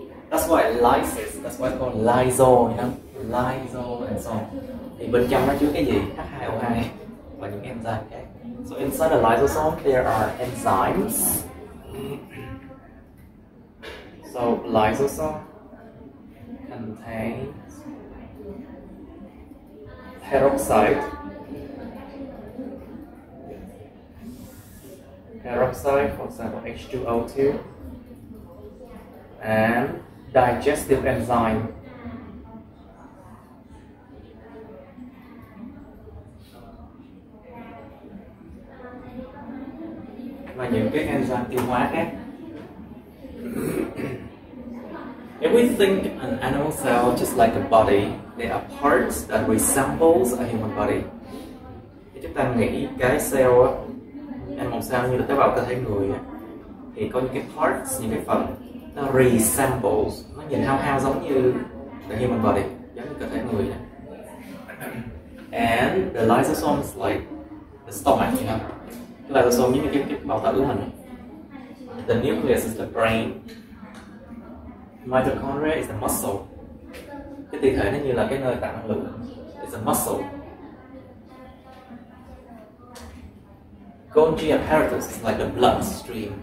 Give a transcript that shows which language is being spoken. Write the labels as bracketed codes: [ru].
[en] That's why lysis, that's why it's called lyso, you know? Lyso and so on. [vi] Thì bên trong nó chứa cái gì? H2O2 và những enzyme khác. [en] So inside the lysosome, there are enzymes. So lysosome contains peroxide. Peroxide, for example, H2O2. And digestive enzyme. [vi] Và những cái enzyme tiêu hóa khác. [en] If we think an animal cell just like a body, there are parts that resembles a human body. [vi] Thì chúng ta nghĩ cái cell á, animal cell như là tế bào cơ thể người á, thì có những cái parts, những cái phần nó resembles, nó nhìn hao hao giống như [en] the human body, [vi] giống như cơ thể người này. [en] And the lysosome is like the stomach, you know. [vi] Lysosome giống như cái bao tử của mình. [en] The nucleus is the brain. Mitochondria is the muscle. [vi] Cái tinh thể nó như là cái nơi tạo năng lượng. [en] It's a muscle. Golgi apparatus is like the bloodstream.